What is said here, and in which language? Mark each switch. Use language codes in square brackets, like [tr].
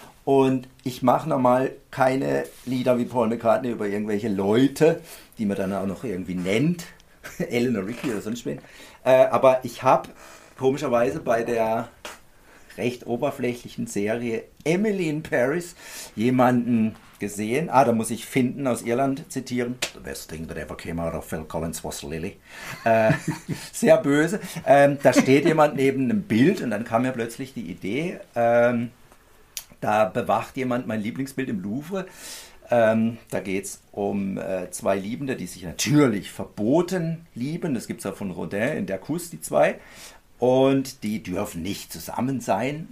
[de] Und ich mache nochmal keine Lieder wie Paul McCartney über irgendwelche Leute, die man dann auch noch irgendwie nennt. Eleanor Rigby oder sonst wen. Aber ich habe komischerweise bei der recht oberflächlichen Serie Emily in Paris jemanden gesehen. Ah, da muss ich Finden aus Irland zitieren. [en] The best thing that ever came out of Phil Collins was Lily. [de] sehr böse. Da steht jemand neben einem Bild und dann kam mir plötzlich die Idee, da bewacht jemand mein Lieblingsbild im Louvre. Da geht es um zwei Liebende, die sich natürlich verboten lieben. Das gibt es auch von Rodin in Der Kuss, die zwei. Und die dürfen nicht zusammen sein.